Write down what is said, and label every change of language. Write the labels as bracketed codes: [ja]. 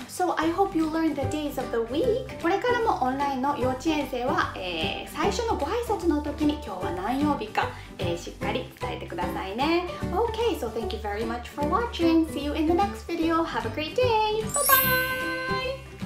[en] So I hope you learned the days of the week. [ja] これからもオンラインの幼稚園生は、最初のご挨拶の時に今日は何曜日か、しっかり伝えてくださいね。 [en] Okay, so thank you very much for watching. See you in the next video. Have a great day! Bye-bye!